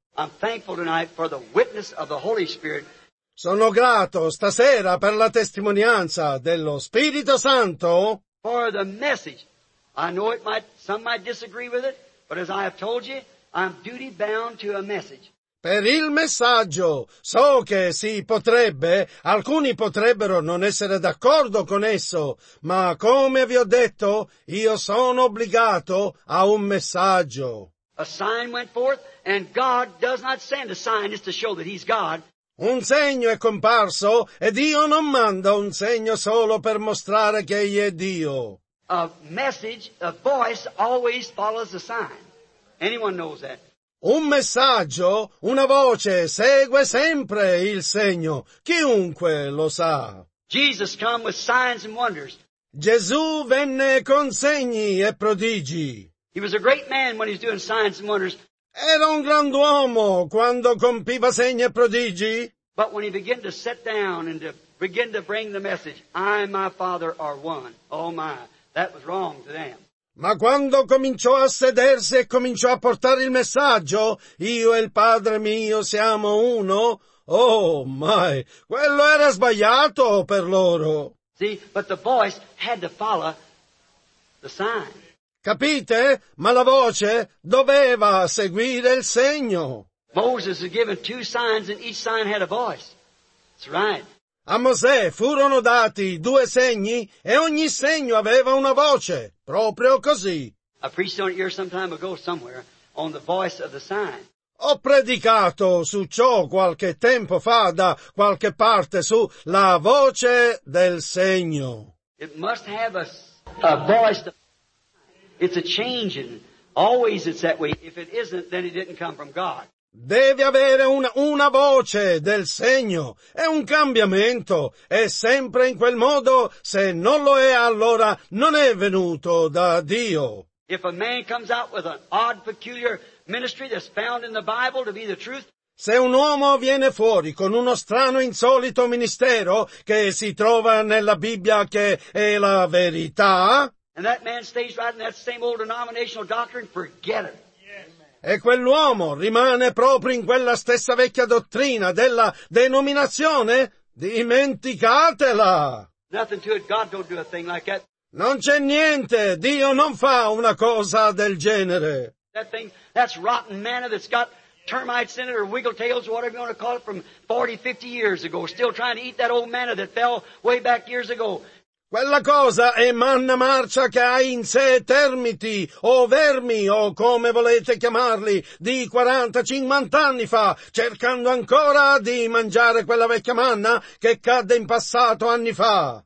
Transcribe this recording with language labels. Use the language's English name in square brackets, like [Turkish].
[English] I'm thankful tonight for the witness of the Holy Spirit. [Italian] Sono grato stasera per la testimonianza dello Spirito Santo. [English] For the message. I know it might, some might disagree with it, but as I have told you, I'm duty bound to a message. [Italian] Per il messaggio, so che si potrebbe, alcuni potrebbero non essere d'accordo con esso, ma come vi ho detto, io sono obbligato a un messaggio. [English] A sign went forth, and God does not send a sign just to show that He's God. [Italian] Un segno è comparso, e Dio non manda un segno solo per mostrare che Egli è Dio. [English] A message, a voice, always follows a sign. Anyone knows that. [Italian] Un messaggio, una voce, segue sempre il segno. Chiunque lo sa. [English] Jesus came with signs and wonders. [Italian] Gesù venne con segni e prodigi. [English] He was a great man when he was doing signs and wonders. [Italian] Era un grand'uomo quando compiva segni e prodigi. [English] But when he began to sit down and to begin to bring the message, I and my Father are one. Oh my, that was wrong to them. [Italian] Ma quando cominciò a sedersi e cominciò a portare il messaggio, io e il padre mio siamo uno, oh mai, quello era sbagliato per loro. [English] See, but the voice had to follow the sign. [Italian] Capite? Ma la voce doveva seguire il segno. [English] Moses had given two signs and each sign had a voice. That's right. [Italian] A Mosè furono dati due segni e ogni segno aveva una voce, proprio così. [English] I preached on it here some time ago somewhere, on the voice of the sign. [Italian] Ho predicato su ciò qualche tempo fa da qualche parte su la voce del segno. [English] It must have a voice. It's a changing. Always it's that way. If it isn't, then it didn't come from God. [Italian] Deve avere una voce del segno. È un cambiamento. È sempre in quel modo. Se non lo è, allora non è venuto da Dio. [English] If a man comes out with an odd, peculiar ministry that's found in the Bible to be the truth. [Italian] Se un uomo viene fuori con uno strano, insolito ministero che si trova nella Bibbia che è la verità. [English] And that man stays right in that same old denominational doctrine, forget it. [Italian] E quell'uomo rimane proprio in quella stessa vecchia dottrina della denominazione? Dimenticatela! [English] Nothing to it. God don't do a thing like that. [Italian] Non c'è niente. Dio non fa una cosa del genere. [English] That thing, that's rotten manna that's got termites in it or wiggle tails or whatever you want to call it from 40, 50 years ago. Still trying to eat that old manna that fell way back years ago. [Italian] Quella cosa è manna marcia che ha in sé termiti, o vermi, o come volete chiamarli, di 40-50 anni fa, cercando ancora di mangiare quella vecchia manna che cadde in passato anni fa.